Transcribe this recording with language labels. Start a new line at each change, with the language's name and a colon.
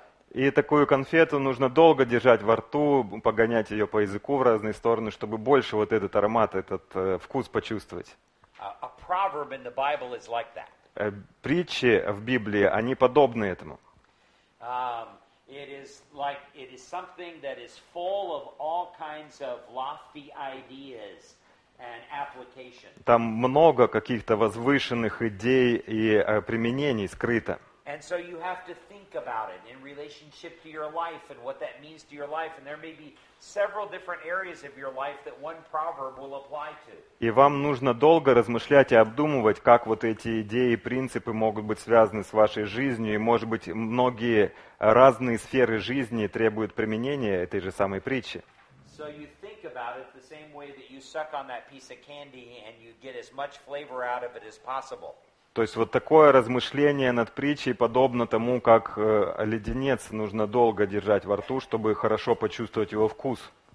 Russian: И такую конфету нужно долго держать во рту, погонять ее по языку в разные стороны, чтобы больше вот этот аромат, этот вкус почувствовать.
English: A proverb in the Bible is like that.
Russian: Притчи в Библии, они подобны этому.
English: It is like it is something that is full of all kinds of lofty ideas and application.
Russian: Там много каких-то возвышенных идей и применений скрыто.
English: And so you have to think about it in relationship to your life and what that means to your life. And there may be several different areas of your life that one proverb will apply to.
Russian: И вам нужно долго размышлять и обдумывать, как вот эти идеи и принципы могут быть связаны с вашей жизнью. И, может быть, многие разные сферы жизни требуют применения этой же самой притчи.
English: So you think about it the same way that you suck on that piece of candy and you get as much flavor out of it as possible.
Russian: То есть вот такое размышление над притчей подобно тому, как леденец нужно долго держать во рту, чтобы хорошо почувствовать его вкус.